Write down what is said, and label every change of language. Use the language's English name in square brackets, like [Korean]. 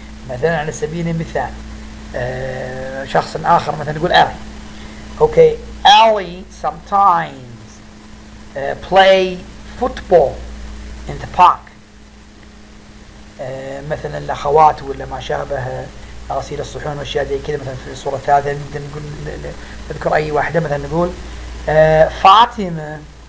[Arabic] مثلا على سبيل المثال شخص آخر مثلا يقول ألي. [English] Okay, Ellie sometimes play football in the park. [Arabic] مثلا الأخوات ولا ما شابه غسيل الصحون وأشياء زي كذا. مثلا في الصورة الثالثة نقدر نقول نذكر أي واحدة مثلا نقول فاطمة.